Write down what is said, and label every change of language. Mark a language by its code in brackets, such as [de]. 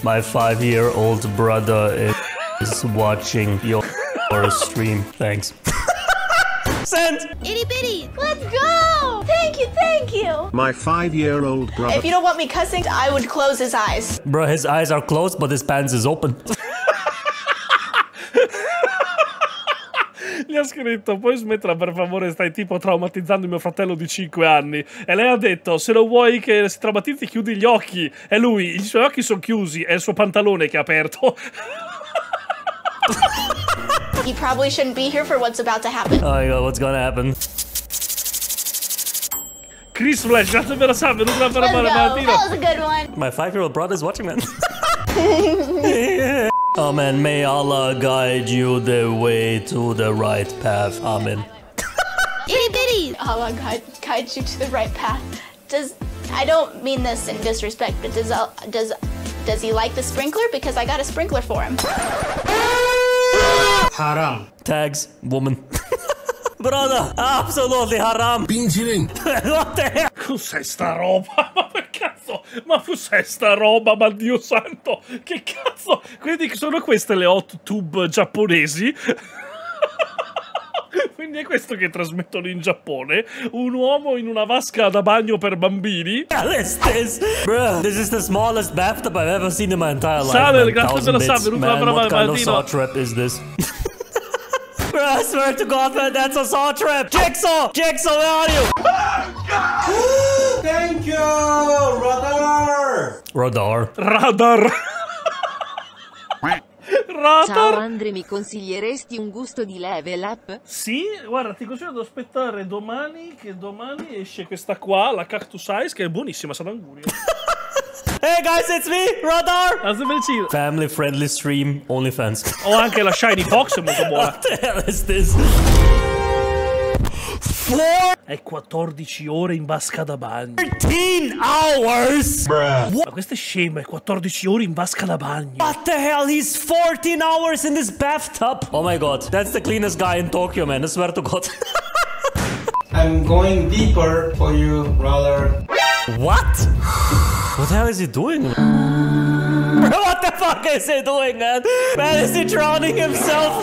[en] My 5-year-old brother is watching your stream. Thanks. Send! Itty bitty! Let's go! Thank you. My 5-year-old brother. If you don't want me cussing, I would close his eyes. Bro, his eyes are closed, but his pants is open. [it] Gli ha scritto, puoi smetterla per favore, stai tipo traumatizzando mio fratello di 5 anni. E lei ha detto, se lo vuoi che si traumatizzi, chiudi gli occhi. E lui, i suoi occhi sono chiusi, è il suo pantalone che ha aperto. [en] He probably shouldn't be here for what's about to happen. Oh my god, what's gonna happen? [it] Chris Flash, grazie per la sub, non la farò male, [en] that was a good one. My 5-year-old brother is watching, man. Yeah. Oh man, may Allah guide you the way to the right path. Amen. Itty bitty! Allah guide you to the right path. I don't mean this in disrespect, but does he like the sprinkler? Because I got a sprinkler for him. Haram. Tags, woman. Brother, absolutely haram. Bingiling. What the hell? [it] Cos'è sta roba? Ma per cazzo? Ma cos'è sta roba? Ma Dio santo! Che cazzo? Quindi sono queste le hot tube giapponesi? Quindi è questo che trasmettono in Giappone? Un uomo in una vasca da bagno per bambini? [en] Hell is this? Bruh, this is the smallest bathtub I've ever seen in my entire life. [it] Samuel, grazie per la sub. [en] Man, what kind of saw trap is this? Bro, I swear to god, man, that's a saw trap! Jigsaw, where are you? Oh, god! Thank you! Radar! Radar! [it] Ciao, Andre, mi consiglieresti un gusto di level up? Sì, guarda, ti consiglio di aspettare domani, che domani esce questa qua, la Cactus Ice, che è buonissima, sa d'angurio. [en] Hey guys, it's me, Radar! [it] Grazie per il cibo! [en] Family friendly stream, OnlyFans. [it] Ho anche la shiny box, è molto buona. [en] What the hell is this? [it] È 14 ore in vasca da bagno. [en] 13 hours! Bruh. [it] Ma questo è scemo, è 14 ore in vasca da bagno. [en] What the hell, he's 14 hours in this bathtub! Oh my god, that's the cleanest guy in Tokyo, man, I swear to god. I'm going deeper for you, Radar. What? What the hell is he doing? Bro, what the fuck? fuck is he doing, man? Man, is he drowning himself?